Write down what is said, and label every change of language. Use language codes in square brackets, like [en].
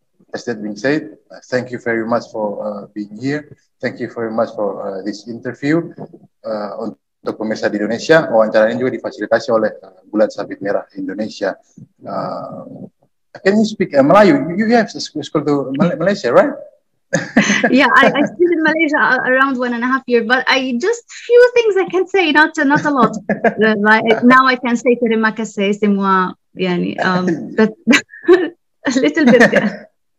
[en] As that being said, thank you very much for being here. Thank you very much for this interview. [id] Untuk pemirsa di Indonesia, wawancara ini juga difasilitasi oleh Bulan Sabit Merah Indonesia. [en] Can you speak Melayu? You have school to Malaysia, right? Yeah, I studied in Malaysia around 1.5 years, but I just few things I can say, not a lot. Now I can say [id] terima kasih semua, [en] but a little bit. Yeah.